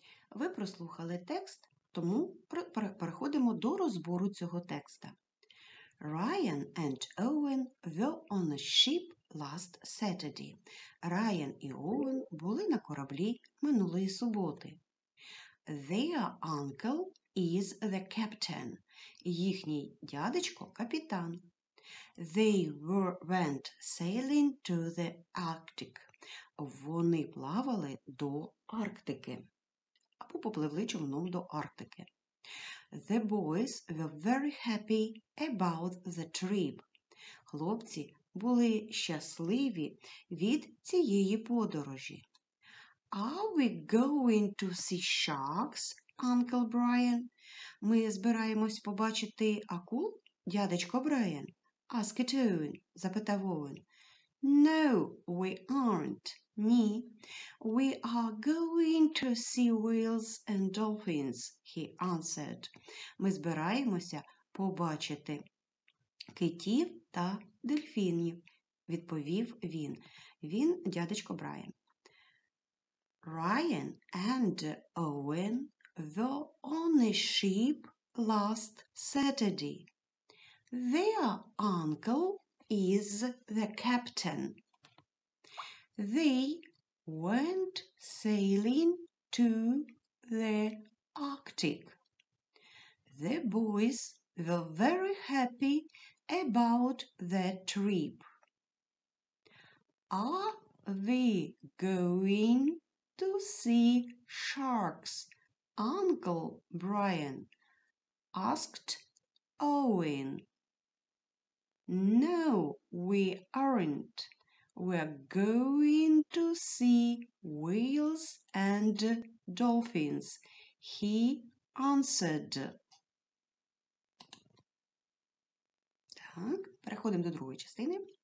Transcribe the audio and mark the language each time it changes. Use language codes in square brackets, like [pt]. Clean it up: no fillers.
[uk] Ви прослухали текст, тому переходимо до розбору цього текста. [en] Ryan and Owen were on a ship last Saturday. [uk] Ryan і Owen були на кораблі минулої суботи. [en] Their uncle is the captain. [uk] Їхній дядечко – капітан. [en] They went sailing to the Arctic. [uk] Вони плавали до Арктики. Або попливли човном до Арктики. [en] The boys were very happy about the trip. [uk] Хлопці були щасливі від цієї подорожі. [en] Are we going to see sharks, Uncle Brian? [uk] Ми збираємось побачити акул, дядечко Брайан? [en] asked Owen, [uk] запитав [en] Owen. No, we aren't. Ні. We are going to see whales and dolphins, he answered. [uk] Ми збираємося побачити китів та дельфінів, відповів він. Він дядечко Брайан. [en] Ryan and Owen were on a ship last Saturday. Their uncle is the captain. They went sailing to the Arctic. The boys were very happy about their trip. Are we going to see sharks, Uncle Brian? Asked Owen. No, we aren't. We're going to see whales and dolphins, he answered. [uk] Так, переходимо до другої частини.